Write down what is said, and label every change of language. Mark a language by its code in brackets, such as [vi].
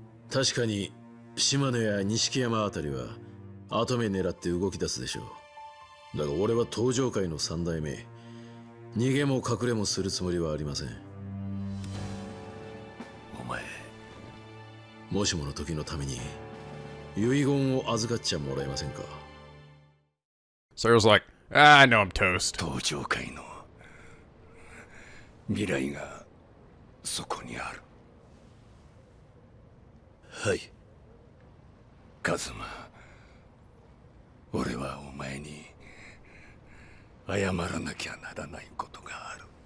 [ja] 確かに島根や錦山あたりは跡目狙って動き出すでしょう。だが俺は東条会の三代目、逃げも隠れもするつもりはありません。お前、もしもの時のために遺言を預かっちゃもらえませんか。 [en] So he was like, ah, I know I'm toast. [ja] 東条会の未来がそこにある。はい、カズマ。俺はお前に謝らなきゃならないことがある。